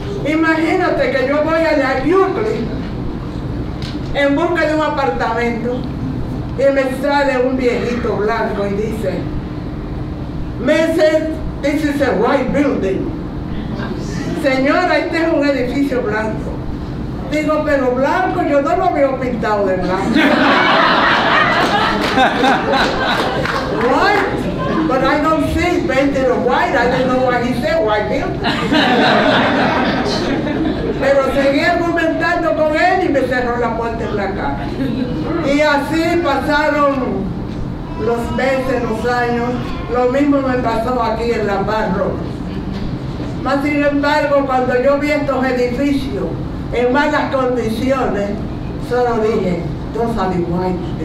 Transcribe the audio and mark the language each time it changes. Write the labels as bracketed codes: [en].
[es] Imagínate que yo voy allá a Brooklyn en busca de un apartamento y me sale un viejito blanco y dice, [en] Mrs., this is a white building. [es] Señora, este es un edificio blanco. Digo, pero blanco, yo no lo veo pintado de blanco. [en] White. But I don't see painted white, I don't know why he said white building. [es] Pero seguí argumentando con él y me cerró la puerta en la cara. Y así pasaron los meses, los años, lo mismo me pasó aquí en La Barro. Más sin embargo, cuando yo vi estos edificios en malas condiciones, solo dije, yo salí muerto.